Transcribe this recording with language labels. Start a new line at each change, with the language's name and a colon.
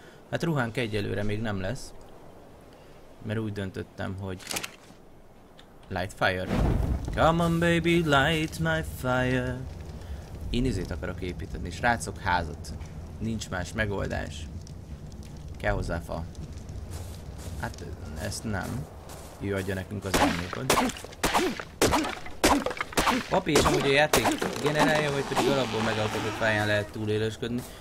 Hungarian: Hát ruhánk egyelőre még nem lesz. Mert úgy döntöttem, hogy...
English: Light fire. Come on baby, light my fire.
Hungarian: Én izét akarok építeni, srácok, házat. Nincs más megoldás. Kell hozzá fa. Hát ezt nem. Ő adja nekünk az emlékot. Papi, és amúgy a játék generálja, vagy pedig alapból megalkotott pályán lehet túlélősködni.